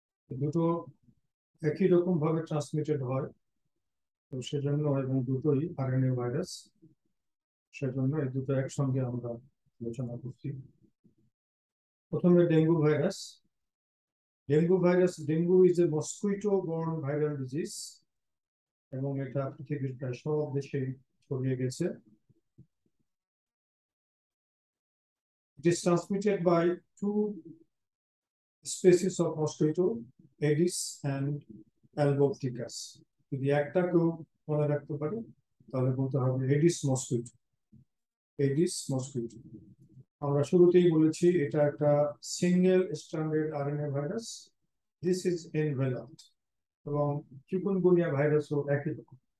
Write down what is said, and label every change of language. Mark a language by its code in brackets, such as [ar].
[bn] দুটো একই রকম ভাবে ট্রান্সমিটেড হয়, তো সেজন্য এবং দুটোই আরএনএ ভাইরাস, সেজন্য এই দুটো একসঙ্গে আমরা আলোচনা করছি। প্রথমে dengue virus. Dengue virus, [en] dengue is a mosquito borne viral disease [bn] এবং এটা পৃথিবীর প্রায় সব দেশে ছড়িয়ে গেছে। [en] It is transmitted by two species of mosquito, Aedes and albopticus. [bn] যদি একটা কেউ মনে রাখতে পারে তাহলে বলতে হবে Aedes mosquito, Aedes mosquito। আমরা শুরুতেই বলেছি এটা একটা single stranded RNA virus, [en] this is enveloped, [bn] এবং চিকুনগুনিয়া ভাইরাসও একই রকম।